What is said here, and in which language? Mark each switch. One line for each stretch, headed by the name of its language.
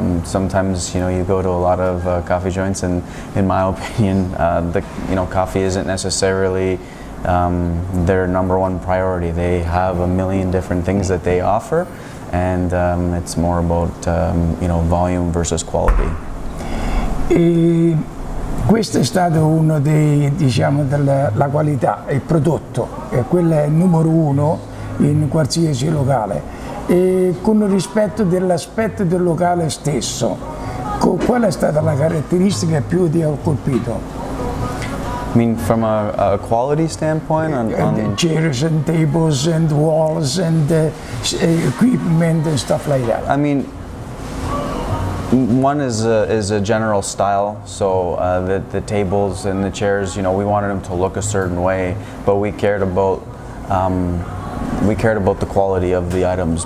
English: Sometimes, you know, you go to a lot of coffee joints, and in my opinion, coffee isn't necessarily their number one priority. They have a million different things that they offer, and it's more about volume versus quality.
Italian: Questo è stato uno dei, diciamo, della qualità, il prodotto, quello è numero uno in qualsiasi locale. con rispetto dell'aspetto del locale stesso. Qual è stata la caratteristica che più ti ha colpito?
English: I mean from a quality standpoint? On the chairs and tables and walls and equipment and stuff like that. I mean, one is a general style, so the tables and the chairs, you know, we wanted them to look a certain way, but we cared about the quality of the items.